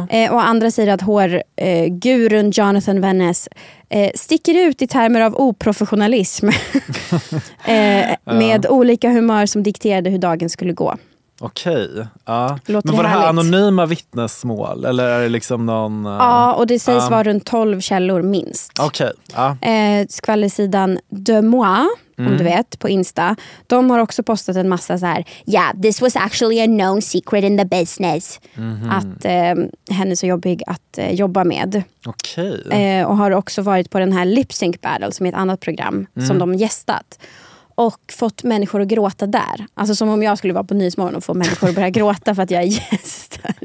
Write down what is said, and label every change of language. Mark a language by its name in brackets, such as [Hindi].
[Swedish] Och andra säger att hårgurun Jonathan Van Ness sticker ut i termer av oprofessionalism. med olika humör som dikterade hur dagen skulle gå. Okej, ja. Låter men var det härligt? Här anonyma vittnesmål? Eller är det liksom någon... Ja, och det sägs vara runt 12 källor minst. Okej, ja. Skvallersidan De Moi, om du vet, på Insta. De har också postat en massa så här: [English] yeah, this was actually a known secret in the business. Mm-hmm. [Swedish] Att henne är så jobbig att jobba med. Okej. Och har också varit på den här Lip Sync Battle, som är ett annat program, som de gästat. Och fått människor att gråta där. Alltså som om jag skulle vara på Nyhetsmorgon och få människor att börja gråta för att jag är gäst.